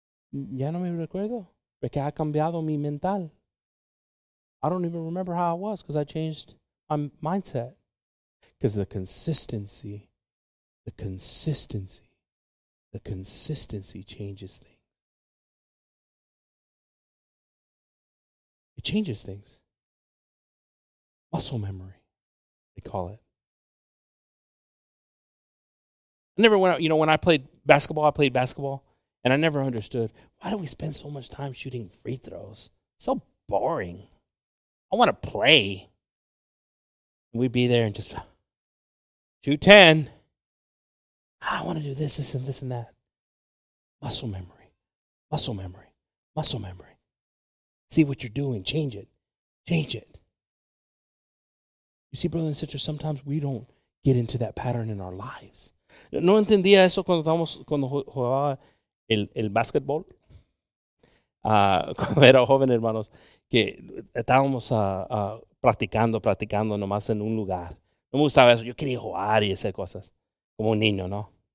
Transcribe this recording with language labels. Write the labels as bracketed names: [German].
[Spanish] Ya no me recuerdo, porque ha cambiado mi mental. [English] I don't even remember how I was because I changed my mindset. Because the consistency changes things. It changes things. Muscle memory, they call it. I never went out, you know, when I played basketball, And I never understood, why do we spend so much time shooting free throws? So boring. I want to play. And we'd be there and just shoot 10. I want to do this, this, and this, and that. Muscle memory. Muscle memory. Muscle memory. See what you're doing. Change it. Change it. You see, brothers and sisters, sometimes we don't get into that pattern in our lives. [Spanish] No entendía eso cuando estábamos, cuando jugaba el basketball, cuando era joven, hermanos, que estábamos practicando nomás en un lugar. No me gustaba eso. Yo quería jugar y hacer cosas como un niño, ¿no?